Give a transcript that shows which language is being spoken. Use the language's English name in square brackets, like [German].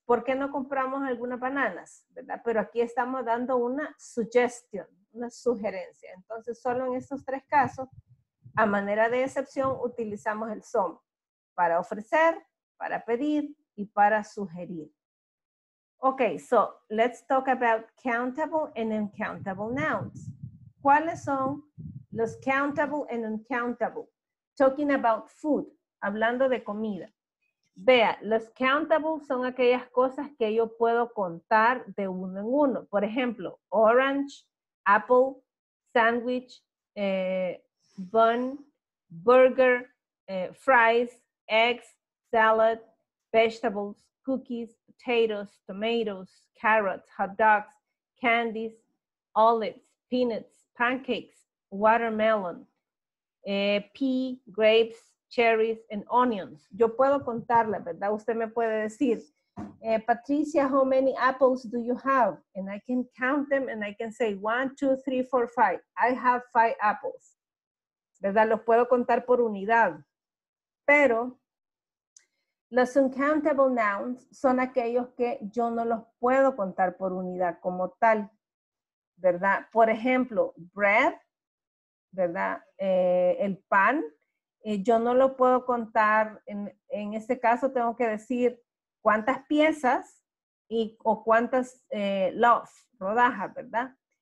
[Spanish] ¿Por qué no compramos algunas bananas? ¿Verdad? Pero aquí estamos dando una suggestion, una sugerencia. Entonces, solo en estos tres casos, a manera de excepción, utilizamos el some para ofrecer, para pedir y para sugerir. [English] Ok, so let's talk about countable and uncountable nouns. [Spanish] ¿Cuáles son los [English] countable and uncountable? Talking about food, [Spanish] hablando de comida. Vea, los countable son aquellas cosas que yo puedo contar de uno en uno. Por ejemplo, [English] orange, apple, sandwich, bun, burger, fries, eggs, salad, vegetables, cookies, potatoes, tomatoes, carrots, hot dogs, candies, olives, peanuts, pancakes, watermelon, pea, grapes, cherries, and onions. [Spanish] Yo puedo contarle, ¿verdad? Usted me puede decir, Patricia, [English] how many apples do you have? And I can count them and I can say, 1, 2, 3, 4, 5. I have 5 apples. [Spanish] ¿Verdad? Los puedo contar por unidad. Pero los uncountable nouns son aquellos que yo no los puedo contar por unidad como tal. ¿Verdad? Por ejemplo, bread, ¿verdad? El pan, yo no lo puedo contar, en este caso tengo que decir cuántas piezas y, o cuántas loaves, rodajas, ¿verdad?